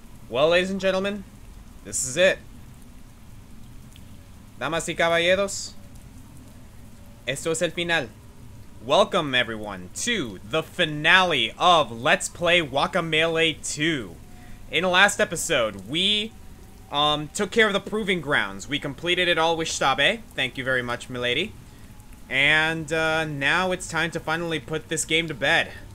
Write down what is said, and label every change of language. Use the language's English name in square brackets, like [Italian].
[English] Well, ladies and gentlemen, this is it. [Spanish] Damas y caballeros, esto es el final. [English] Welcome, everyone, to the finale of Let's Play Guacamelee 2. In the last episode, we took care of the Proving Grounds. We completed it all with Shtabe. Thank you very much, milady. And now it's time to finally put this game to bed.